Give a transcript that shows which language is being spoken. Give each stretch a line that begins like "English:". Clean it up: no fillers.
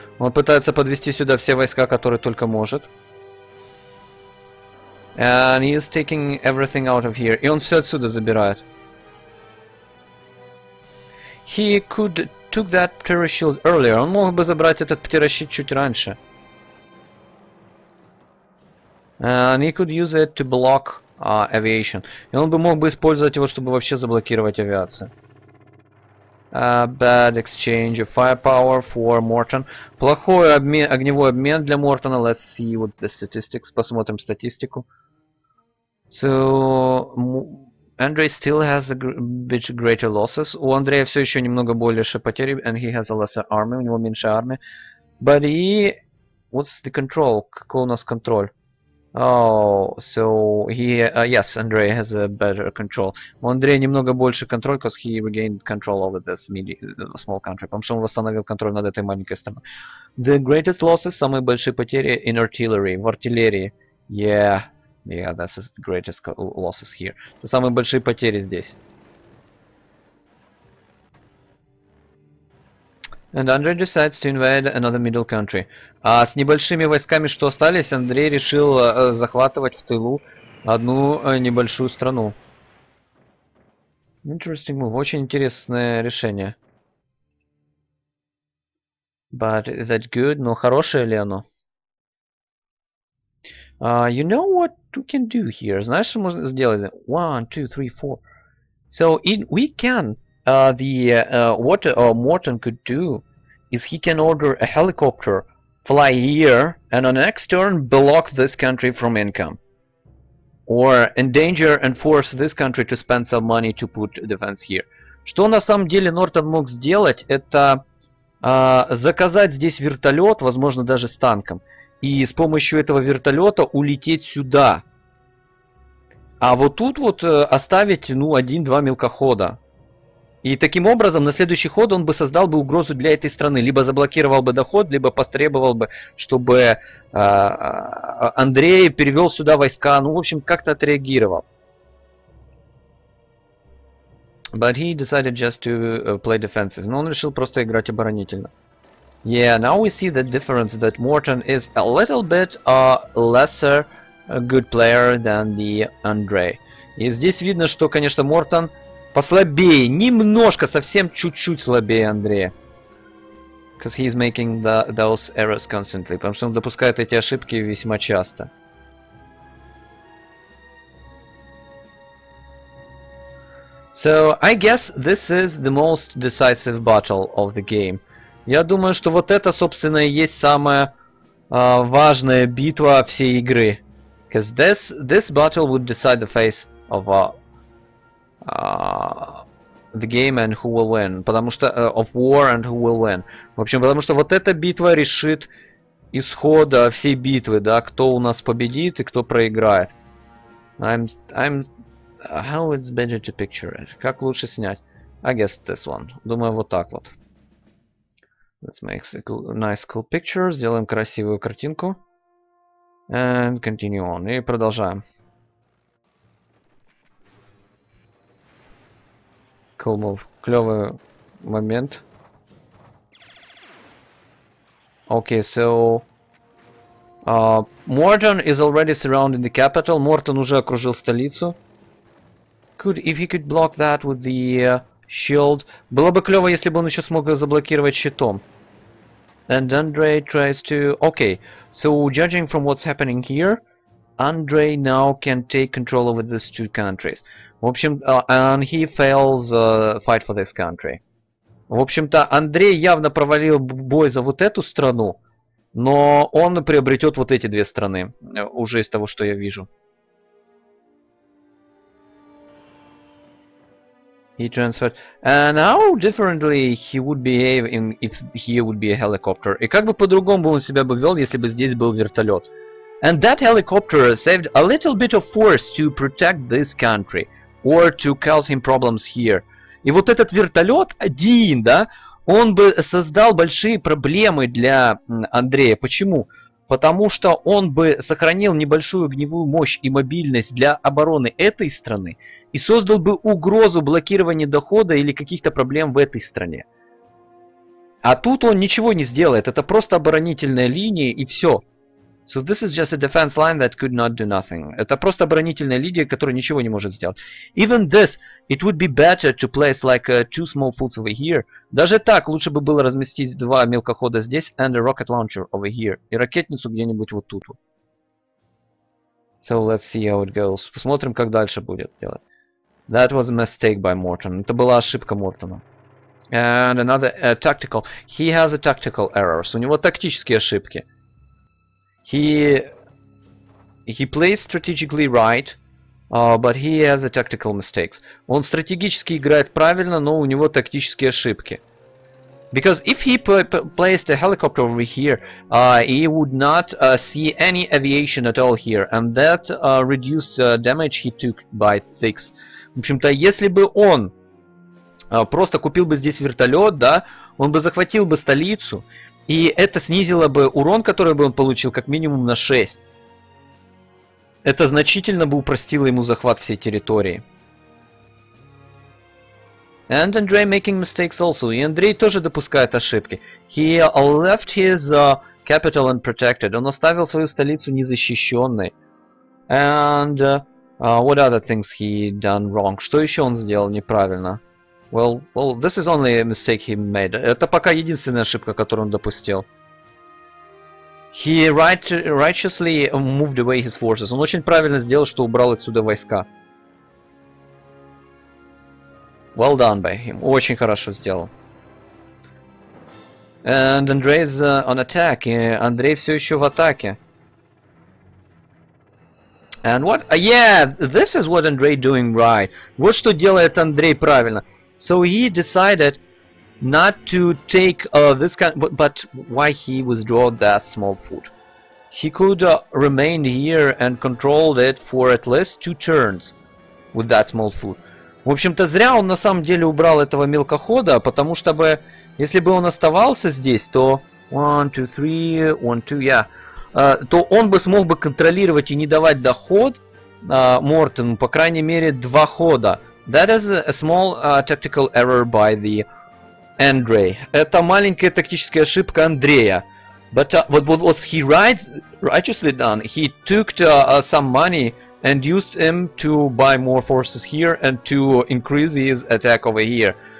Russian: Он пытается подвести сюда все войска, которые только может.
English: And he is taking everything out of here.
Russian: И он все отсюда забирает.
English: He could took that pterashield earlier.
Russian: Он мог бы забрать этот птеросчит чуть раньше.
English: And he could use it to block aviation.
Russian: И он бы мог бы использовать его, чтобы вообще заблокировать авиацию.
English: Bad exchange of firepower for Morton.
Russian: Плохой обмен, огневой обмен для Мортона.
English: Let's see what the statistics.
Russian: Посмотрим статистику.
English: So, Andrei still has a bit greater losses.
Russian: У Андрея все еще немного больше потери.
English: And he has a lesser army.
Russian: У него меньше армии.
English: But he... What's the control?
Russian: Какой у нас контроль?
English: Oh, so he, yes, Andrei has a better control.
Russian: У Андрея немного больше контроль,
English: because he regained control over this small country.
Russian: Потому что он восстановил контроль над этой маленькой страной.
English: The greatest losses,
Russian: самые большие потери
English: in artillery,
Russian: в артиллерии.
English: Yeah, yeah, that's the greatest losses here.
Russian: Это самые большие потери здесь.
English: And Andrei decides to invade another middle country.
Russian: А с небольшими войсками, что остались, Андрей решил захватывать в тылу одну небольшую страну.
English: Interesting move.
Russian: Очень интересное решение.
English: But is that good?
Russian: Но хорошее ли оно?
English: You know what we can do here?
Russian: Знаешь, что можно сделать?
English: 1, 2, 3, 4. So, we can, what Morton could do, is he can order a helicopter, fly here, and on next turn block this country from income. Or endanger and force this country to spend some money to put defense here.
Russian: Что на самом деле Нортон мог сделать, это заказать здесь вертолет, возможно, даже с танком, и с помощью этого вертолета улететь сюда. А вот тут вот оставить, ну, 1-2 мелкохода. И таким образом, на следующий ход он бы создал бы угрозу для этой страны. Либо заблокировал бы доход, либо потребовал бы, чтобы Андрей перевел сюда войска. Ну, в общем, как-то отреагировал.
English: But he decided just to play defensive.
Russian: Но он решил просто играть оборонительно.
English: Yeah, now we see the difference that Morton is a little bit lesser good player than the Andrei.
Russian: И здесь видно, что, конечно, Мортон послабее, немножко, совсем чуть-чуть слабее Андрея.
English: Because he's making those errors constantly.
Russian: Потому что он допускает эти ошибки весьма часто.
English: So, I guess this is the most decisive battle of the game.
Russian: Я думаю, что вот это, собственно, и есть самая важная битва всей игры.
English: Because this battle would decide the face of the game and who will win.
Russian: Потому что,
English: of war and who will win.
Russian: В общем, потому что вот эта битва решит исхода всей битвы, да, кто у нас победит и кто проиграет.
English: How it's better to picture it?
Russian: Как лучше снять?
English: I guess this one.
Russian: Думаю, вот так вот.
English: Let's make a nice cool picture.
Russian: Сделаем красивую картинку.
English: And continue on.
Russian: И продолжаем.
English: Cool move.
Russian: Клёвый момент.
English: Okay, so... Morton is already surrounding the capital.
Russian: Morton уже окружил столицу.
English: Could, if he could block that with the shield.
Russian: Было бы клёво, если бы он ещё смог заблокировать щитом.
English: And Andrei tries to... Okay, so judging from what's happening here, Andrei now can take control over these two countries.
Russian: В общем,
English: and he fails fight for this country.
Russian: В общем-то, Андрей явно провалил бой за вот эту страну, но он приобретёт вот эти две страны, уже из того, что я вижу.
English: He transferred. And how differently he would behave in if here would be a helicopter.
Russian: И как бы по-другому бы он себя бы вел, если бы здесь был вертолет.
English: And that helicopter saved a little bit of force to protect this country or to cause him problems here.
Russian: И вот этот вертолет один, да, он бы создал большие проблемы для Андрея. Почему? Потому что он бы сохранил небольшую огневую мощь и мобильность для обороны этой страны и создал бы угрозу блокирования дохода или каких-то проблем в этой стране. А тут он ничего не сделает, это просто оборонительная линия и все.
English: So this is just a defense line that could not do nothing.
Russian: Это просто оборонительная линия, которая ничего не может сделать.
English: Even this, it would be better to place like two small foots over here.
Russian: Даже так, лучше бы было разместить два мелкохода здесь
English: and a rocket launcher over here.
Russian: И ракетницу где-нибудь вот тут.
English: So let's see how it goes.
Russian: Посмотрим, как дальше будет делать.
English: That was a mistake by Morton.
Russian: Это была ошибка Мортона.
English: And another tactical. He has a tactical error.
Russian: У него тактические ошибки.
English: He plays strategically right, but he has a tactical mistakes.
Russian: Он стратегически играет правильно, но у него тактические ошибки.
English: Because if he placed a helicopter over here, he would not see any aviation at all here, and that reduced damage he took by six.
Russian: В общем-то, если бы он просто купил бы здесь вертолет, да, он бы захватил бы столицу. И это снизило бы урон, который бы он получил, как минимум на 6. Это значительно бы упростило ему захват всей территории.
English: And Andrei making mistakes also.
Russian: И Андрей тоже допускает ошибки.
English: He left his capital unprotected.
Russian: Он оставил свою столицу незащищенной.
English: And what other things he done wrong?
Russian: Что еще он сделал неправильно?
English: Well, this is only a mistake he made.
Russian: Это пока единственная ошибка, которую он допустил.
English: He righteously moved away his forces.
Russian: Он очень правильно сделал, что убрал отсюда войска.
English: Well done by him.
Russian: Очень хорошо сделал.
English: And Andrei is on attack.
Russian: Андрей все еще в атаке.
English: And what? Yeah, this is what Andrei doing right.
Russian: Вот что делает Андрей правильно.
English: So he decided not to take this kind. But why he withdrew that small foot? He could remain here and controlled it for at least two turns with that small foot.
Russian: В общем-то, зря он на самом деле убрал этого мелкохода, потому что бы, если бы он оставался здесь, то 1, 2, 3, 1, 2, yeah, то он бы смог бы контролировать и не давать доход Мортону, по крайней мере, два хода.
English: That is a small tactical error by the Andrei.
Russian: Это маленькая тактическая ошибка Андрея.
English: But what was he righteously done? He took some money and used him to buy more forces here and to increase his attack over here.